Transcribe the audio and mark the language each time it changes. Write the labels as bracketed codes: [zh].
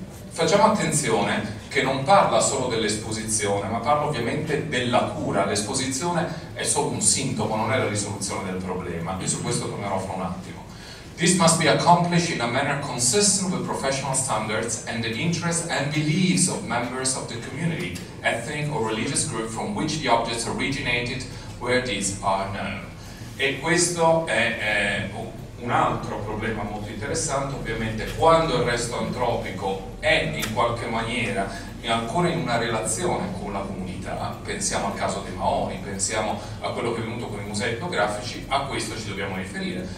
[it] Facciamo attenzione che non parla solo dell'esposizione, ma parla ovviamente della cura. L'esposizione è solo un sintomo, non è la risoluzione del problema, e su questo tornerò fra un attimo. [en] This must be accomplished in a manner consistent with professional standards and the interests and beliefs of members of the community, ethnic or religious group from which the objects originated, where these are known. [it] E questo è un altro problema molto interessante. Ovviamente quando il resto antropico è in qualche maniera e ancora in una relazione con la comunità. Pensiamo al caso dei Maori, pensiamo a quello che è venuto con i musei etnografici, a questo ci dobbiamo riferire.